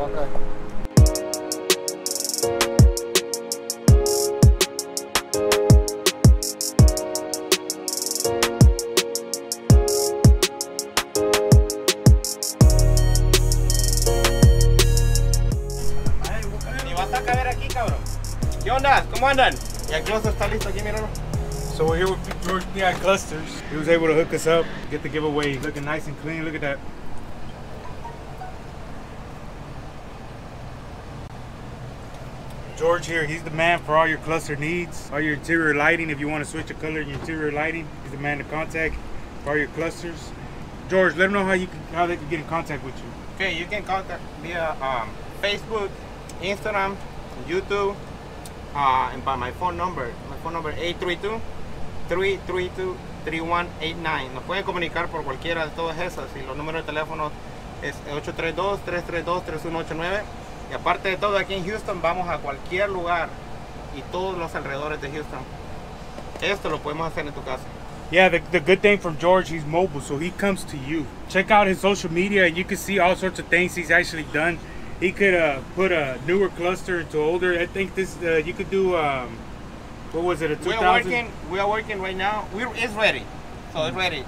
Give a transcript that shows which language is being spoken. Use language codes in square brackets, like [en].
[es] Okay. Y va a caber aquí, cabrón. ¿Qué onda? ¿Cómo andan? Y el closet está listo aquí, míralo. [en] So we're here with George Neon Clusters. He was able to hook us up, get the giveaway. He's looking nice and clean. Look at that. George here, he's the man for all your cluster needs, all your interior lighting. If you want to switch the color in your interior lighting, he's the man to contact for all your clusters. George, let them know how they can get in contact with you. Okay, you can contact via Facebook, Instagram, YouTube, and by my phone number. My phone number 832-332-3189. [es] Nos pueden comunicar por cualquiera de todas esas. Y los números de teléfono es 832-332-3189. Y aparte de todo, aquí en Houston vamos a cualquier lugar y todos los alrededores de Houston. Esto lo podemos hacer en tu casa. [en] Yeah, the good thing from George, he's mobile, so he comes to you. Check out his social media and you can see all sorts of things he's actually done. He could put a newer cluster into older. I think this, you could do, what was it, a 2000? We are working right now. It's ready. So it's ready.